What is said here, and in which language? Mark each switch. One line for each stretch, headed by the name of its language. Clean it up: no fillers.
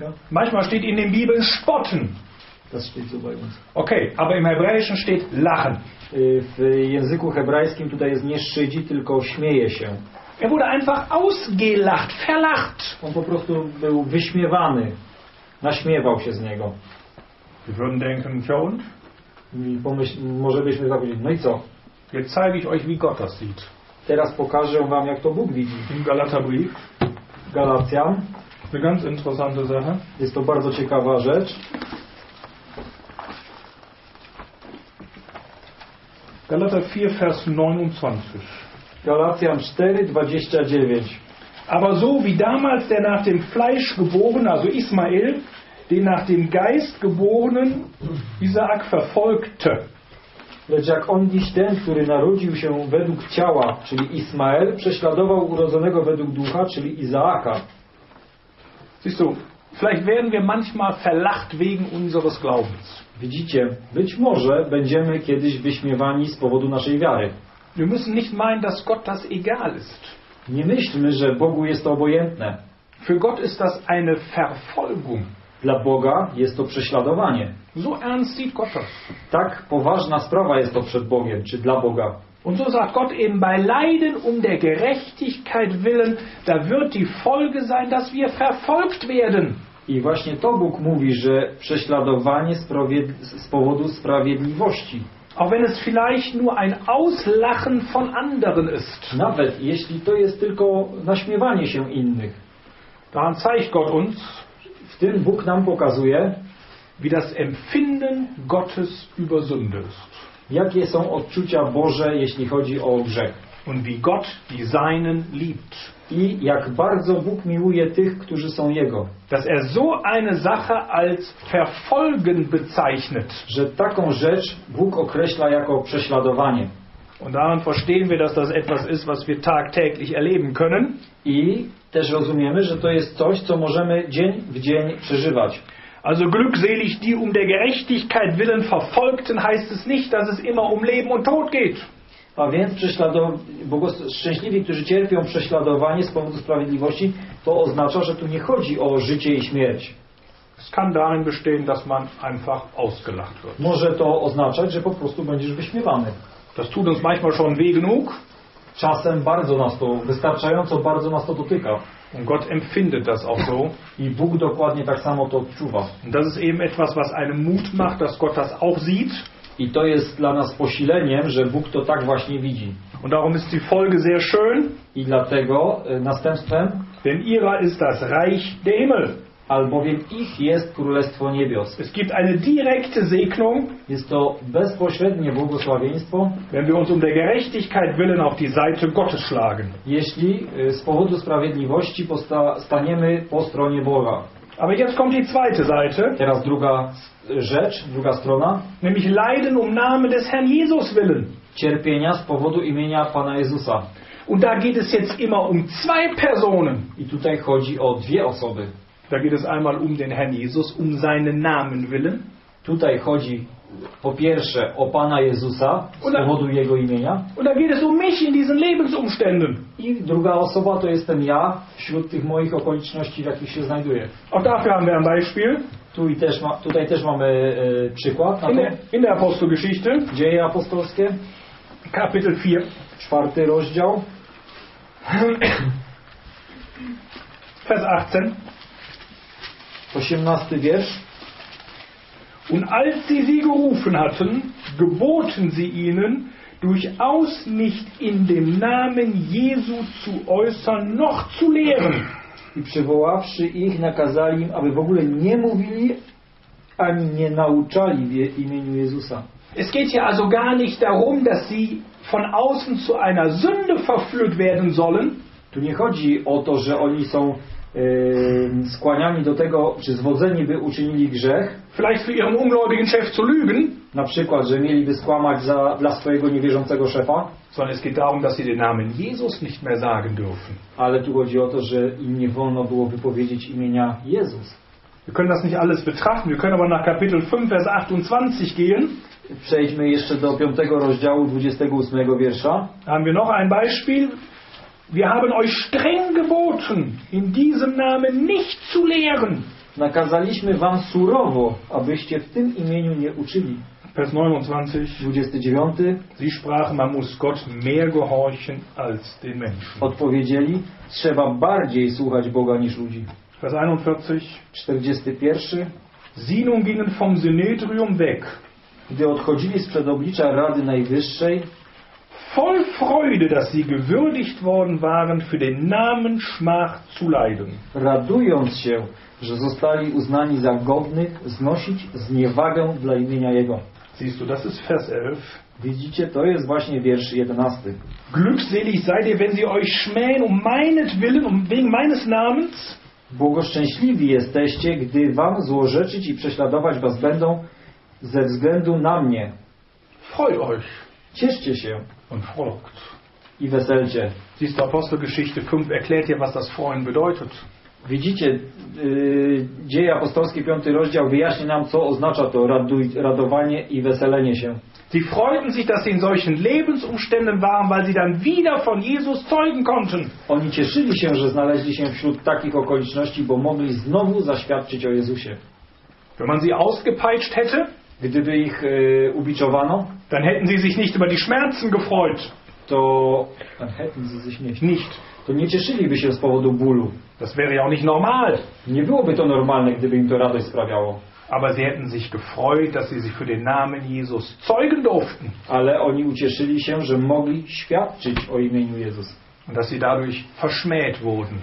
German: Manchmal steht in den Bibeln spotten. Das steht so bei uns. Okay, aber im Hebräischen steht lachen.
Polish: W języku hebrajskim tutaj jest nie szydzi, tylko śmieje się.
German: Er wurde einfach ausgelacht, verlacht.
Polish: On po prostu był wyśmiewany. Naśmiewał się z niego.
German: Wir würden denken, ja und?
Polish: Może byśmy tak powiedzieli, no i co?
German: Jetzt zeige ich euch, wie Gott das sieht.
Polish: Teraz pokażę wam, jak to Bóg widzi.
German: Im Galaterbrief.
Polish: Galatian.
German: Eine ganz interessante Sache.
Polish: Jest to bardzo ciekawa rzecz.
German: Galater 4, Vers 29.
Polish: Galatian 4, 29.
German: Aber so wie damals der nach dem Fleisch geborene, also Ismael, den nach dem Geist geborenen Isaak verfolgte.
Polish: Lecz jak on dziś ten, który narodził się według ciała, czyli Ismael, prześladował urodzonego według ducha, czyli Izaaka.
German: Siehst du, vielleicht werden wir manchmal verlacht wegen unseres Glaubens.
Polish: Widzicie, być może będziemy kiedyś wyśmiewani z powodu naszej wiary.
German: Wir müssen nicht meinen, dass Gott das egal ist.
Polish: Nie myślmy, że Bogu jest to obojętne.
German: Für Gott ist das eine Verfolgung.
Polish: Dla Boga jest to prześladowanie.
German: So ernst sieht Gott das.
Polish: Tak poważna sprawa jest to przed Bogiem, czy dla Boga.
German: Und so sagt Gott eben bei Leiden um der Gerechtigkeit willen, da wird die Folge sein, dass wir verfolgt werden.
Polish: I właśnie to Bóg mówi, że prześladowanie z powodu sprawiedliwości.
German: Auch wenn es vielleicht nur ein Auslachen von anderen ist.
Polish: Nawet jeśli to jest tylko naśmiewanie się innych.
German: Daran zeigt Gott uns,
Polish: w tym Bóg nam pokazuje,
German: wie das Empfinden Gottes über Sünde ist.
Polish: Jakie są odczucia Boże, jeśli chodzi o grzech.
German: Und wie Gott die Seinen liebt.
Polish: I jak bardzo Bóg miłuje tych, którzy są Jego.
German: Dass er so eine Sache als verfolgen bezeichnet.
Polish: Że taką rzecz Bóg określa jako prześladowanie.
German: Und daran verstehen wir, dass das etwas ist, was wir tagtäglich erleben können.
Polish: I też rozumiemy, że to jest coś, co możemy dzień w dzień przeżywać.
German: Also glückselig die um der Gerechtigkeit willen verfolgten, heißt es nicht, dass es immer um Leben und Tod geht.
Polish: A więc szczęśliwi, którzy cierpią prześladowanie z powodu sprawiedliwości, to oznacza, że tu nie chodzi o życie i śmierć.
German: Es kann darin bestehen, dass man einfach ausgelacht wird.
Polish: Może to oznaczać, że po prostu będziesz wyśmiewany.
German: Das tut uns manchmal schon weh genug.
Polish: Czasem bardzo nas to, wystarczająco bardzo nas to dotyka.
German: Und Gott empfindet das auch so.
Polish: I Bóg dokładnie tak samo to odczuwa.
German: Und das ist eben etwas, was einem Mut macht, dass Gott das auch sieht.
Polish: I to jest dla nas posileniem, że Bóg to tak właśnie widzi.
German: Und darum ist die Folge sehr schön.
Polish: I dlatego następstwem.
German: Denn ihrer ist das Reich der Himmel.
Polish: Albowiem ich jest Królestwo Niebios.
German: Es gibt eine direkte Segnung.
Polish: Jest to bezpośrednie błogosławieństwo.
German: Wenn wir uns um der Gerechtigkeit willen auf die Seite Gottes schlagen.
Polish: Jeśli z powodu sprawiedliwości staniemy po stronie Boga.
German: Aber jetzt kommt die zweite Seite.
Polish: Teraz druga rzecz, druga strona.
German: Nämlich Leiden um Namen des Herrn Jesus willen.
Polish: Cierpienia z powodu imienia Pana Jezusa.
German: Und da geht es jetzt immer um zwei Personen.
Polish: I tutaj chodzi o dwie osoby.
German: Da geht es einmal um den Herrn Jesus, um seinen Namen willen.
Polish: Tutaj chodzi po pierwsze o Pana Jezusa z powodu Jego imienia.
German: Und da geht es um mich in diesen Lebensumständen.
Polish: I druga osoba to jestem ja wśród tych moich okoliczności, w jakich się znajduję.
German: Auch dafür haben wir ein Beispiel.
Polish: Tu i też tutaj też mamy przykład.
German: In der Apostelgeschichte.
Polish: Dzieje apostolskie.
German: Kapitel 4.
Polish: Czwarty rozdział.
German: Vers 18.
Polish: 18 wiersz.
German: Und als sie sie gerufen hatten, geboten sie ihnen, durchaus nicht in dem Namen Jesu zu äußern, noch zu lehren.
Polish: I przywoławszy ich, nakazali im, aby w ogóle nie mówili, ani nie nauczali w imieniu Jezusa.
German: Es geht hier also gar nicht darum, dass sie von außen zu einer Sünde verführt werden sollen.
Polish: Tu nie chodzi o to, że oni są skłaniani do tego, czy zwodzeni by uczynili grzech.
German: Vielleicht für ihren ungläubigen Chef zu lügen.
Polish: Na przykład, że mieliby skłamać dla swojego niewierzącego szefa.
German: Sondern es geht darum, dass sie den Namen Jesus nicht mehr sagen dürfen.
Polish: Ale tu chodzi o to, że im nie wolno było wypowiedzieć imienia Jezus.
German: Wir können das nicht alles betrachten. Wir können aber nach Kapitel 5, Vers 28 gehen.
Polish: Przejdźmy jeszcze do 5 rozdziału 28 wiersza.
German: Haben wir noch ein Beispiel? Wir haben euch streng geboten, in diesem Namen nicht zu lehren.
Polish: Nakazaliśmy wam surowo, abyście w tym imieniu nie uczyli.
German: Vers 29. Sie sprachen, man muss Gott mehr gehorchen als den Menschen.
Polish: Odpowiedzieli, trzeba bardziej słuchać Boga niż ludzi.
German: Vers 41.
Polish: 41.
German: Sie nun gingen vom Synedrium weg.
Polish: Gdy odchodzili sprzed oblicza Rady Najwyższej,
German: voll Freude, dass sie gewürdigt worden waren, für den Namen Schmach zu leiden.
Polish: Radując się, że zostali uznani za godnych znosić zniewagę dla imienia Jego.
German: Siehst du, das ist Vers 11.
Polish: Widzicie, to jest właśnie wiersz 11.
German: Glückselig seid ihr, wenn sie euch schmähen um meinetwillen, um wegen meines Namens.
Polish: Błogoszczęśliwi jesteście, gdy wam złorzeczyć i prześladować was będą ze względu na mnie.
German: Freut euch.
Polish: Cieszcie się.
German: Und folgt.
Polish: I weselcie.
German: Siehst du, Apostelgeschichte 5 erklärt dir, was das Freuen bedeutet.
Polish: Widzicie, Dzieje apostolskie 5 rozdział wyjaśni nam, co oznacza to radowanie i weselenie się.
German: Sie freuten sich, dass sie in solchen Lebensumständen waren, weil sie dann wieder von Jesus zeugen konnten.
Polish: Oni cieszyli się, że znaleźli się wśród takich okoliczności, bo mogli znowu zaświadczyć o Jezusie.
German: Wenn man sie ausgepeitscht hätte,
Polish: gdyby ich ubiczowano,
German: dann hätten sie sich nicht über die Schmerzen gefreut. To dann hätten sie sich nicht.
Polish: To nie cieszyliby się z powodu bólu.
German: Das wäre ja auch nicht normal.
Polish: Nie byłoby to normalne, gdyby im to radość sprawiało.
German: Aber sie hätten sich gefreut, dass sie sich für den Namen Jesus zeugen durften.
Polish: Ale oni ucieszyli się, że mogli świadczyć o imieniu Jezus.
German: Und dass sie dadurch verschmäht wurden.